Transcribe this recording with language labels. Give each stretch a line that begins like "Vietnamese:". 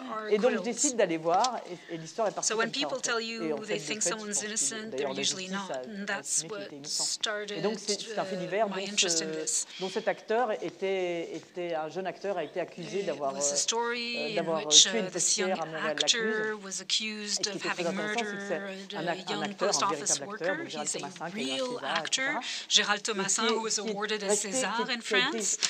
French: Et donc je décide d'aller voir et l'histoire est partie.
English: So when people tell you they think someone's innocent, they're usually not. That's what started.
French: Et donc c'est un fait divers dont cet acteur était un jeune acteur a été accusé d'avoir tué une caissière à Montréal-La Cluse. Et qui était très intéressant, c'est un acteur, un véritable acteur, Gérald Thomasin, Gérald Thomasin,
English: who was awarded a César in France,